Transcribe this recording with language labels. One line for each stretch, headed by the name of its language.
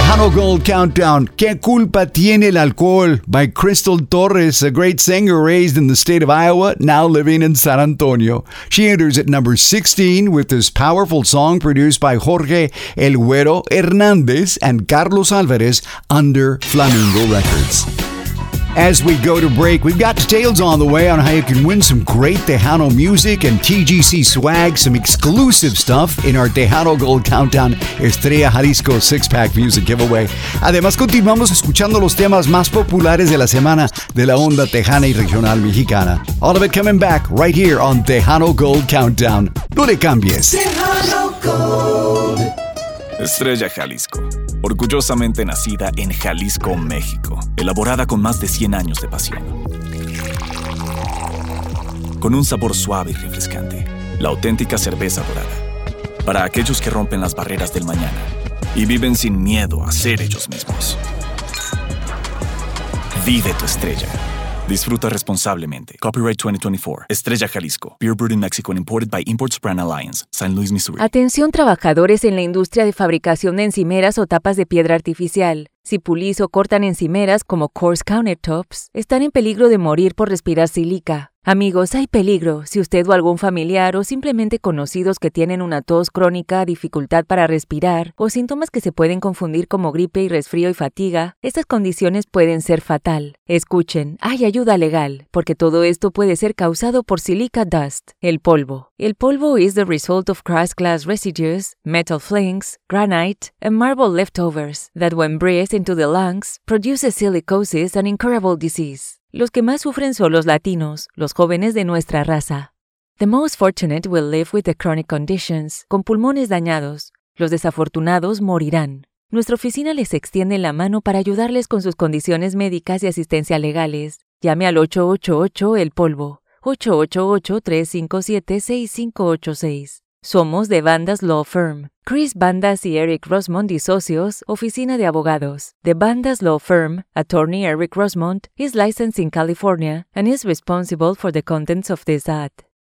Spanish: Gold Countdown, ¿Qué culpa tiene el alcohol?
English: By Crystal Torres, a great singer raised in the state of Iowa, now living in San Antonio. She enters at number 16 with this powerful song produced by Jorge El Güero Hernández and Carlos Álvarez under Flamingo Records. As we go to break, we've got details on the way on how you can win some great Tejano music and TGC swag, some exclusive stuff in our Tejano Gold Countdown Estrella Jalisco 6-Pack Music Giveaway.
Spanish: Además, continuamos escuchando los temas más populares de la semana de la onda tejana y regional mexicana.
English: All of it coming back right here on Tejano Gold Countdown.
Spanish: No le cambies. Tejano Gold. Estrella Jalisco. Orgullosamente nacida en Jalisco, México. Elaborada con más de 100 años de pasión. Con un sabor suave y refrescante. La auténtica cerveza dorada. Para aquellos que rompen las barreras del mañana y viven sin miedo a ser ellos mismos. Vive tu estrella. Disfruta responsablemente. Copyright 2024. Estrella Jalisco.
English: Beer brewed in Mexico and imported by Imports Brand Alliance.
Spanish: San Luis, Missouri. Atención, trabajadores en la industria de fabricación de encimeras o tapas de piedra artificial. Si pulís o cortan encimeras como coarse countertops, están en peligro de morir por respirar sílica. Amigos, hay peligro. Si usted o algún familiar o simplemente conocidos que tienen una tos crónica, dificultad para respirar o síntomas que se pueden confundir como gripe y resfrío y fatiga, estas condiciones pueden ser fatal. Escuchen, hay ayuda legal, porque todo esto puede ser causado por silica dust, el polvo.
English: El polvo is the result of crushed glass residues, metal flakes, granite, and marble leftovers that when breathed into the lungs, produces silicosis and incurable disease.
Spanish: Los que más sufren son los latinos, los jóvenes de nuestra raza.
English: The most fortunate will live with the chronic conditions,
Spanish: con pulmones dañados. Los desafortunados morirán. Nuestra oficina les extiende la mano para ayudarles con sus condiciones médicas y asistencia legales. Llame al 888-EL-POLVO, 888-357-6586. Somos de Bandas Law Firm. Chris Bandas y Eric Rosmond y socios, oficina de abogados.
English: The Bandas Law Firm, attorney Eric Rosmond, is licensed in California and is responsible for the contents of this ad.